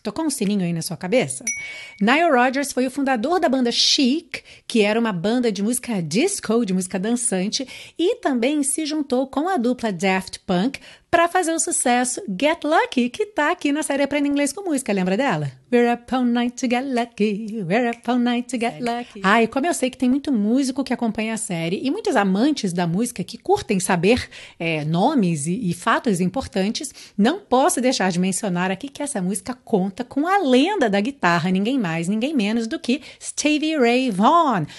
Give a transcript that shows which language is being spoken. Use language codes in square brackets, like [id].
[pt] Tocou um sininho aí na sua cabeça? Nile Rodgers foi o fundador da banda Chic, que era uma banda de música disco, de música dançante, e também se juntou com a dupla Daft Punk para fazer o sucesso Get Lucky, que tá aqui na série Aprenda Inglês com Música, lembra dela? [en] We're up all night to get lucky, we're up all night to get lucky. [pt] Ai, como eu sei que tem muito músico que acompanha a série e muitos amantes da música que curtem saber nomes e fatos importantes, não posso deixar de mencionar aqui que essa música conta com a lenda da guitarra, ninguém mais, ninguém menos do que Stevie Ray Vaughan.